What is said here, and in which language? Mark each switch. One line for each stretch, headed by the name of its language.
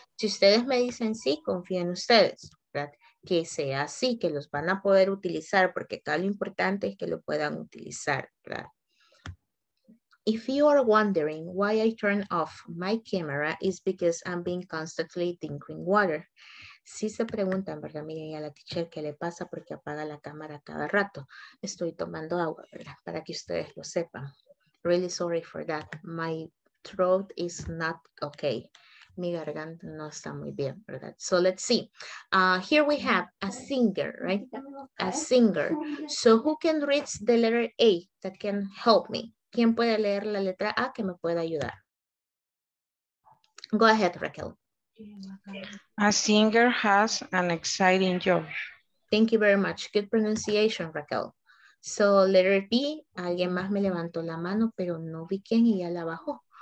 Spanish: Si ustedes me dicen sí, confío en ustedes. Que sea así, que los van a poder utilizar, porque acá lo importante es que lo puedan utilizar, ¿verdad?
English: If you are wondering why I turn off my camera, is because I'm being constantly drinking water.
Spanish: Si se preguntan, ¿verdad? Miren a la teacher, ¿qué le pasa? Porque apaga la cámara cada rato. Estoy tomando agua, ¿verdad? Para que ustedes lo sepan.
English: Really sorry for that. My throat is not okay.
Spanish: Mi garganta no está muy bien, ¿verdad?
English: So let's see. Here we have a singer, right? A singer. So who can read the letter A that can help me?
Spanish: ¿Quién puede leer la letra A que me pueda ayudar?
English: Go ahead, Raquel. A singer has an exciting job. Thank you very much. Good pronunciation, Raquel. So letter B,
Spanish: alguien más me levantó la mano, pero no vi quién y ya la bajó.